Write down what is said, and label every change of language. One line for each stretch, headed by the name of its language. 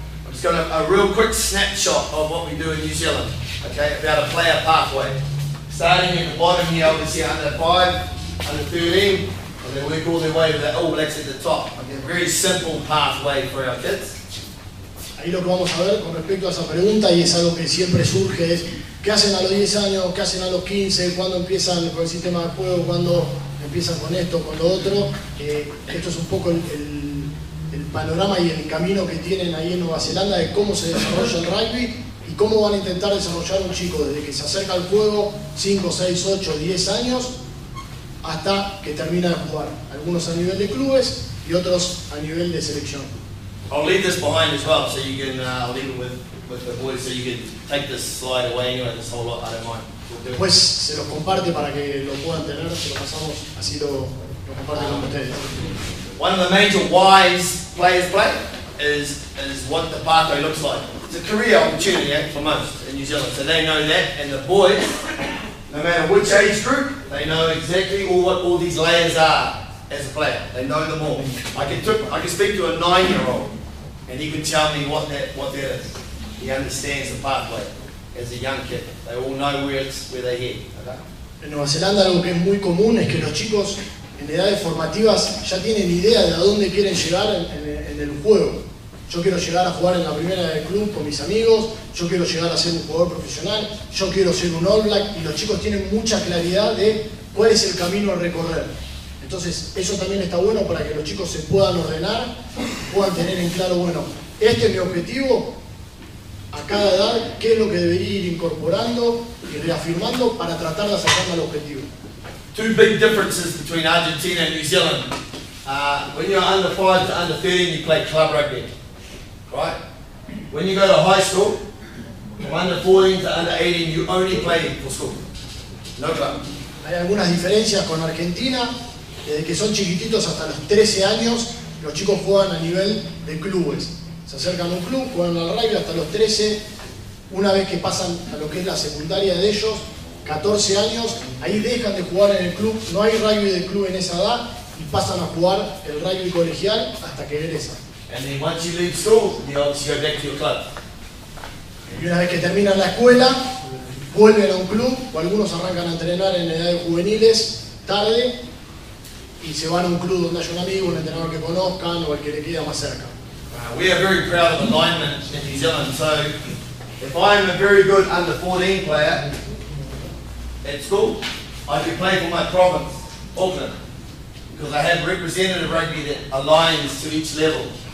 English: I'm just going to a real quick snapshot of what we do in New Zealand, okay, about a player pathway. Starting at the bottom here, obviously under 5, under 13, and then work all the way to the All Blacks at the top. Okay, a very simple pathway for our kids.
Spanish: Ahí lo que vamos a ver con respecto a esa pregunta, y es algo que siempre surge, es ¿qué hacen a los 10 años? ¿Qué hacen a los 15? ¿Cuándo empiezan con el sistema de juego? ¿Cuándo empiezan con esto, con lo otro? Esto es un poco el panorama y el camino que tienen ahí en Nueva Zelanda de cómo se desarrolla el rugby y cómo van a intentar desarrollar un chico desde que se acerca al juego, 5, 6, 8, 10 años, hasta que termina de jugar. Algunos a nivel de clubes y otros a nivel de selección.
English: I'll leave this behind as well, so you can leave it with the boys, so you can take this slide away anyway, this whole lot, I don't mind.
Spanish: Después se los comparte para que lo puedan tener, se lo pasamos, así lo comparte con ustedes.
English: One of the major whys players play is what the pathway looks like. It's a career opportunity for most in New Zealand, so they know that, and the boys, no matter which age group, they know exactly what all these layers are. As a player, they know them all. I can speak to a 9-year-old, and he can tell me what that is. He understands the pathway as a young kid. They all know where they head. Okay?
Spanish: En Nueva Zelanda, algo que es muy común es que los chicos en edades formativas ya tienen idea de a dónde quieren llegar en el juego. Yo quiero llegar a jugar en la primera del club con mis amigos. Yo quiero llegar a ser un jugador profesional. Yo quiero ser un All Black, y los chicos tienen mucha claridad de cuál es el camino a recorrer. Entonces, eso también está bueno para que los chicos se puedan ordenar, puedan tener en claro, bueno, este es mi objetivo, a cada edad, qué es lo que debería ir incorporando y reafirmando para tratar de acercarme al objetivo.
English: Two big differences between Argentina and New Zealand. When you're under 5 to under 13, you play club rugby, right? When you go to high school, from under 14 to under 18, you only play for school, no club.
Spanish: Hay algunas diferencias con Argentina. Desde que son chiquititos hasta los 13 años, los chicos juegan a nivel de clubes. Se acercan a un club, juegan al rugby hasta los 13. Una vez que pasan a lo que es la secundaria de ellos, 14 años, ahí dejan de jugar en el club. No hay rugby de club en esa edad y pasan a jugar el rugby colegial hasta que regresan.
English: And then once you leave school, you obviously go back to your club.
Spanish: Y una vez que terminan la escuela, vuelven a un club, o algunos arrancan a entrenar en edades juveniles tarde, y se van a un club donde haya un amigo, un entrenador que conozcan o el que le queda más cerca.
English: We are very proud of the linemen in New Zealand, so if I'm a very good under 14 player at school, I can play for my province, Auckland, because I have representative rugby that aligns to each level.